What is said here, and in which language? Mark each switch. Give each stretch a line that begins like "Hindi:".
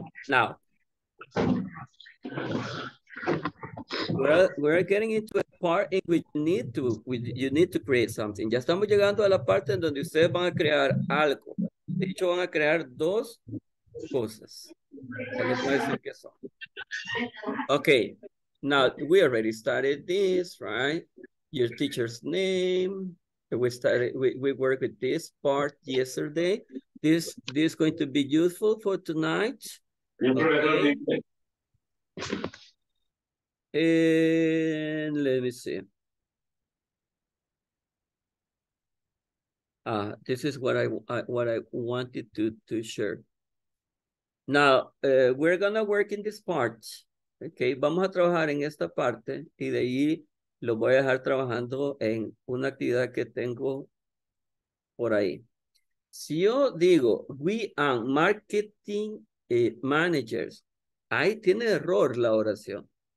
English: Now, we're getting into a part in which you need to create something.
Spanish: Ya estamos llegando a la parte en donde ustedes van a crear algo. De hecho, van a crear dos cosas. Les voy a decir qué son.
English: Okay, now we already started this, right? Your teacher's name. We worked with this part yesterday. This is going to be useful for tonight. Okay. And let me see. This is what I wanted to share. Now, we're gonna work in this part, okay?
Spanish: Vamos a trabajar en esta parte y de ahí lo voy a dejar trabajando en una actividad que tengo por ahí. Si yo digo,
English: we are marketing managers,
Spanish: ahí tiene error la oración.